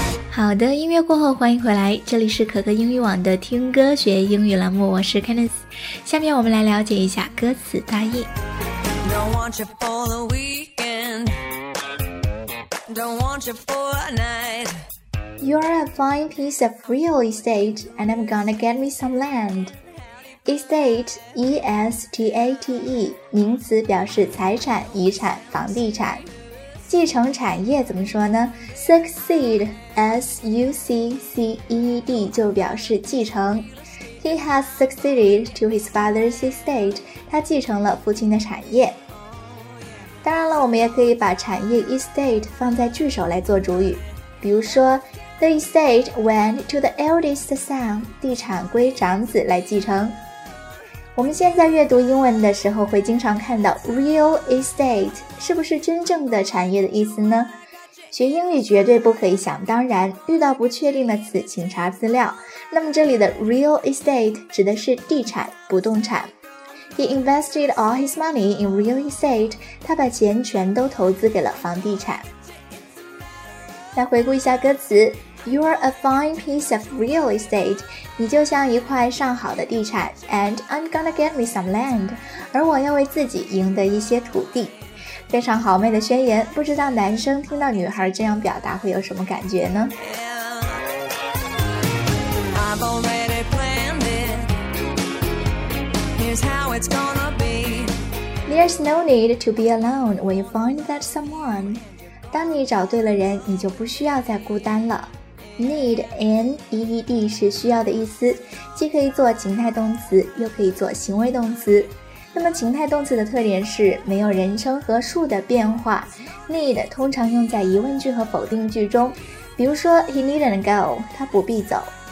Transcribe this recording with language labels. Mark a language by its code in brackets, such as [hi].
[zh] 好的，音乐过后欢迎回来，这里是可可英语网的听歌学英语栏目，我是 Candice。下面我们来了解一下歌词大意。 [en] Don't want you for the weekend. Don't want you for a night. You're a fine piece of real estate, and I'm gonna get me some land. [zh] Estate, E-S-T-A-T-E, 名词表示财产、遗产、房地产。继承产业怎么说呢？ Succeed, S-U-C-C-E-D, 就表示继承。 [en] He has succeeded to his father's estate, [zh] 他继承了父亲的产业。当然了，我们也可以把产业 estate 放在句首来做主语，比如说 [en] The estate went to the eldest son, [zh] 地产归长子来继承。我们现在阅读英文的时候会经常看到 real estate, 是不是真正的产业的意思呢？学英语绝对不可以想当然，遇到不确定的词请查资料。那么这里的 real estate 指的是地产，不动产。 [en] He invested all his money in real estate, [zh] 他把钱全都投资给了房地产。来回顾一下歌词 [en] You're a fine piece of real estate [zh] 你就像一块上好的地产 [en] And I'm gonna get me some land [zh] 而我要为自己赢得一些土地非常豪迈的宣言不知道男生听到女孩这样表达会有什么感觉呢 [en] yeah, I've already planned it Here's how it's gonna be There's no need to be alone when you find that someone [zh] 当你找对了人，你就不需要再孤单了。 Need, N-E-E-D 是需要的意思，既可以做情态动词，又可以做行为动词。那么情态动词的特点是没有人称和数的变化。 Need 通常用在疑问句和否定句中，比如说 [en] He needn't go, [zh] 他不必走。